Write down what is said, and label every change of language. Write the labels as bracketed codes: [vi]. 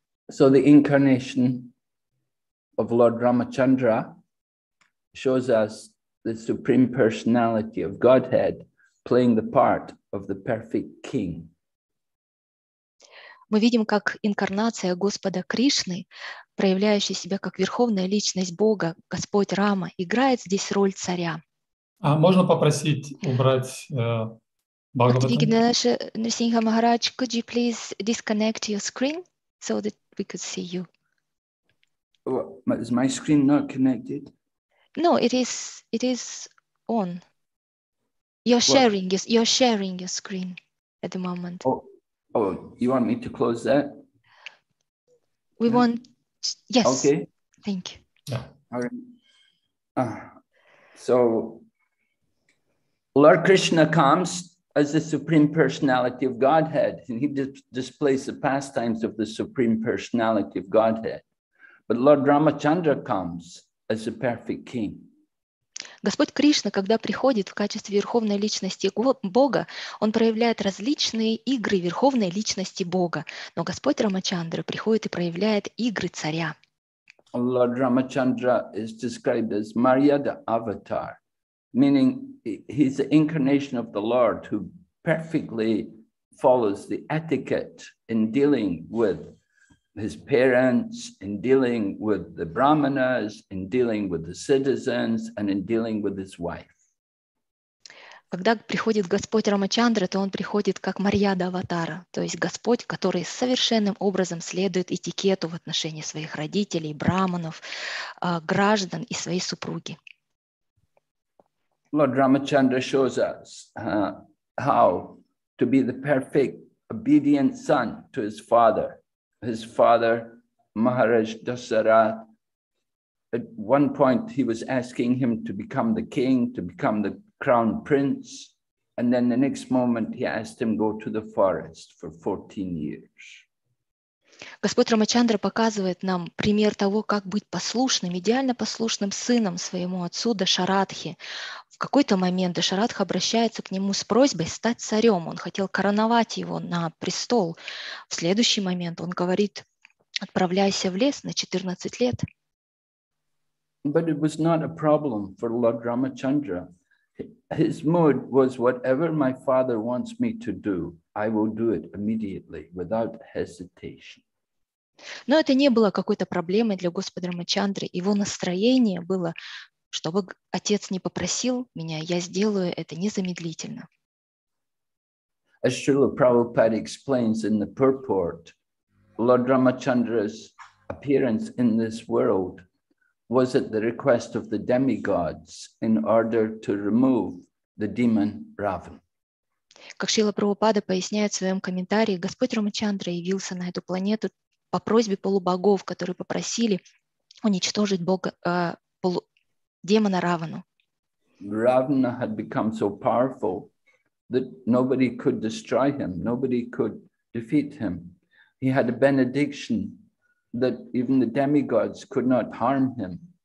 [en] So the incarnation of Lord Ramachandra shows us the Supreme Personality of Godhead playing the part of the perfect king. [ru] Мы видим, как инкарнация Господа Кришны, проявляющая себя как верховная личность Бога, Господь Рама, играет здесь роль царя. А можно попросить убрать Бхагаватам? [en] Narasimha Maharaj, could you please disconnect your screen so that we could see you? Is my screen not connected? No, it is on. You're sharing your screen at the moment. Oh, you want me to close that? Yes. Okay. Thank you. Yeah. All right. So Lord Krishna comes as the Supreme Personality of Godhead, and he displays the pastimes of the Supreme Personality of Godhead. But Lord Ramachandra comes as the perfect king. [ru] Господь Кришна, когда приходит в качестве Верховной Личности Бога, Он проявляет различные игры Верховной Личности Бога. Но Господь Рамачандра приходит и проявляет игры Царя. [en] Lord Ramachandra is described as Maryada Avatar, meaning he's the incarnation of the Lord who perfectly follows the etiquette in dealing with his parents, in dealing with the brahmanas, in dealing with the citizens, and in dealing with his wife. [ru] Когда приходит Господь Рамачандра, то он приходит как Марьяда Аватара, то есть Господь, который совершенным образом следует этикету в отношении своих родителей, брахманов, граждан и своей супруги. [en] Lord Ramachandra shows us how to be the perfect obedient son to his father. His father, Maharaj Dasarath, at one point he was asking him to become the king, to become the crown prince, and then the next moment he asked him go to the forest for 14 years. [ru] Господь Рамачандра показывает нам пример того, как быть послушным, идеально послушным сыном своему отцу Дашарадхи. В какой-то момент Дашарадха обращается к нему с просьбой стать царем. Он хотел короновать его на престол. В следующий момент он говорит: «Отправляйся в лес на 14 лет». [en] But it was not a problem for Lord Ramachandra. His mood was whatever my father wants me to do, I will do it immediately, without hesitation. [ru] Но это не было какой-то проблемой для Господа Рамачандры. Его настроение было, чтобы отец не попросил меня, я сделаю это незамедлительно. [en] As Srila Prabhupada explains in the purport, Lord Ramachandra's appearance in this world was at the request of the demigods in order to remove the demon Ravana. [ru] Как Шрила Прабхупада поясняет в своем комментарии, Господь Рамачандра явился на эту планету по просьбе полубогов, которые попросили уничтожить бога, демона Равану. [en] Ravana had become so powerful that nobody could destroy him, nobody could defeat him. He had a benediction that even the demigods could not harm him.